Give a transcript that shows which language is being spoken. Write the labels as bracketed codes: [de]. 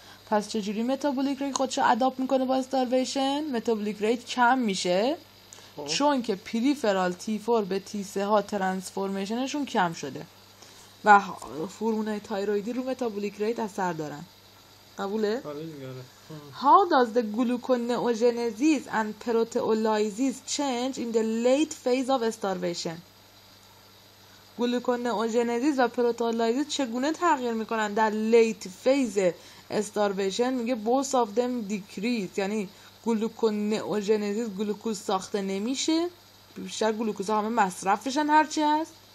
[fa] پس چجوری metabolic rate خودش رو adapt میکنه با استارویشن؟ metabolic rate کم میشه چون که پریفرال T4 به T3 ها ترانسفورمیشنشون کم شده و هورمونای تایرویدی رو متابولیک ریت اثر دارن. قبوله؟ آره. [en] How does the gluconeogenesis and proteolysis change in the late phase of starvation? [fa] گلوکونئوجنزیس و پروتئولیزیس چگونه تغییر میکنن در لیت فیز استارویشن؟ میگه [en] both of them decrease، [fa] یعنی گلوکونئوجنزیس گلوکوز ساخته نمیشه، بیشتر گلوکوز همه مصرف بشن هرچی هست.